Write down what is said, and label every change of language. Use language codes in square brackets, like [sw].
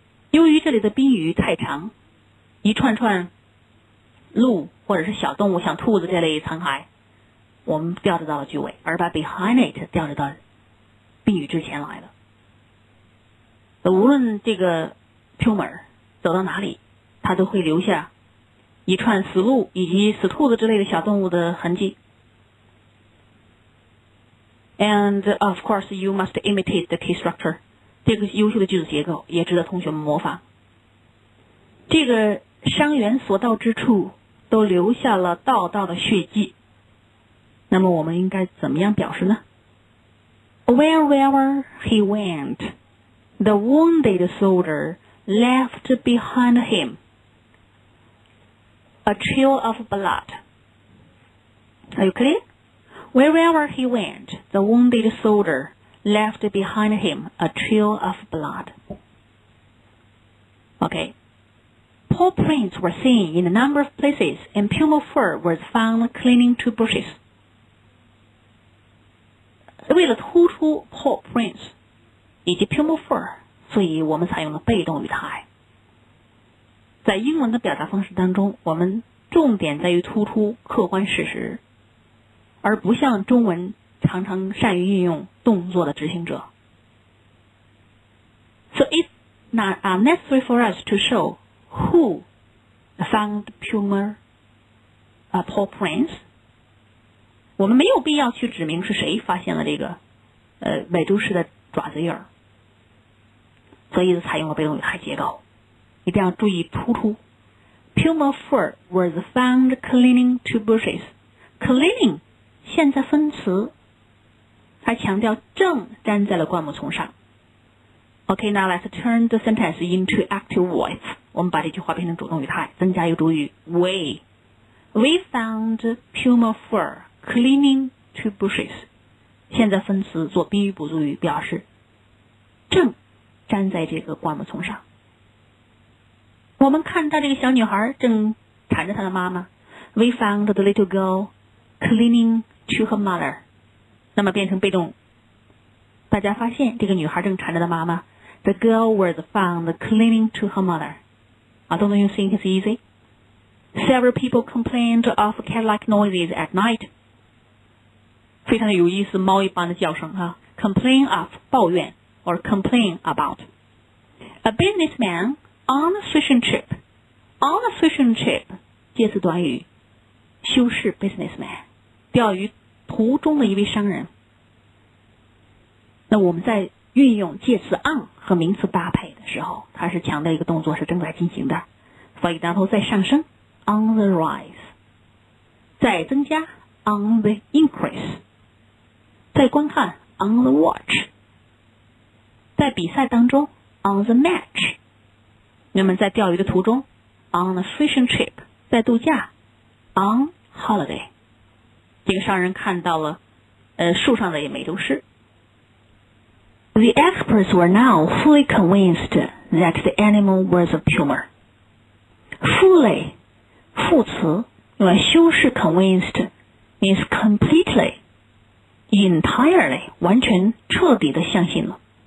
[zh] 由于这里的宾语太长，一串串鹿或者是小动物，像兔子这类残骸，我们调制到了句尾，而把 behind it 调制到宾语之前来了。无论这个 tumor 走到哪里。他都会留下一串死鹿以及死兔子之类的小动物的痕迹。 [en] And of course, you must imitate the key structure. [zh] 这个优秀的句子结构也值得同学们模仿。这个伤员所到之处都留下了道道的血迹。那么我们应该怎么样表示呢？ [en] Wherever he went, the wounded soldier left behind him. A trail of blood. Are you clear? Wherever he went, the wounded soldier left behind him a trail of blood. Okay. Paw prints were seen in a number of places, and puma fur was found clinging to bushes. [zh] 为了突出 paw prints 以及 puma fur, 所以我们采用了被动语态。在英文的表达方式当中，我们重点在于突出客观事实，而不像中文常常善于运用动作的执行者。 [en] So it's not necessary for us to show who found puma paw prints. [zh] 我们没有必要去指明是谁发现了这个美洲狮的爪子印，所以采用了被动语态结构，一定要注意突出。 [en] Puma fur was found clinging to bushes. [zh] Clinging 现在分词，它强调正粘在了灌木丛上。 [en] OK, now let's turn the sentence into active voice. [zh] 我们把这句话变成主动语态，增加一个主语 [en] We found puma fur clinging to bushes. [zh] 现在分词做宾语补足语，表示正粘在这个灌木丛上。我们看到这个小女孩正缠着她的妈妈。 [en] We found the little girl clinging to her mother. [zh] 那么变成被动。大家发现这个女孩正缠着她妈妈。 [en] The girl was found clinging to her mother. [zh] 啊，动作用 [en] think is easy. Several people complained of cat-like noises at night. [zh] 非常有意思，猫一般的叫声啊。 [en] Complain of, 抱怨 or complain about. A businessman on a fishing trip. [zh] On a fishing trip, 介词短语，修饰 businessman, 钓鱼途中的一位商人。那我们在运用介词 on 和名词搭配的时候，它是强调一个动作是正在进行的。 [en] For example, [zh] 在上升 [en] on the rise, [zh] 在增加 [en] on the increase, [zh] 在观看 [en] on the watch, [zh] 在比赛当中 [en] on the match, [zh] 那么在钓鱼的途中 [en] on a fishing trip, [zh] 在度假 [en] on holiday。 [zh] 这个商人看到了树上的也美洲狮。 [en] The experts were now fully convinced that the animal was a puma. [zh] Fully, 副词用来修饰 convinced [en] means completely, entirely, [zh] 完全彻底的相信了。